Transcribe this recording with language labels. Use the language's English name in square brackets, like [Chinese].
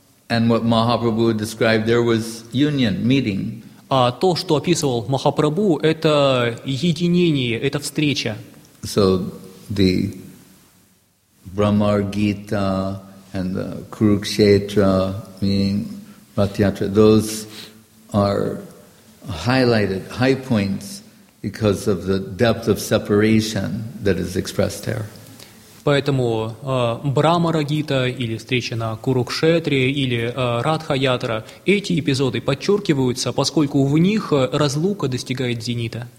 [English] And what Mahaprabhu described, there was union, meeting. [Russian] А то, что описывал Махапрабху, это единение, это встреча. [English] So the Brahmar Gita and the Kurukshetra, meaning Ratyatra, those are highlighted, high points, because of the depth of separation that is expressed there. [Russian] Поэтому Брамарагита или встреча на Курукшетре или Радха-ятра, эти эпизоды подчеркиваются, поскольку в них разлука достигает зенита.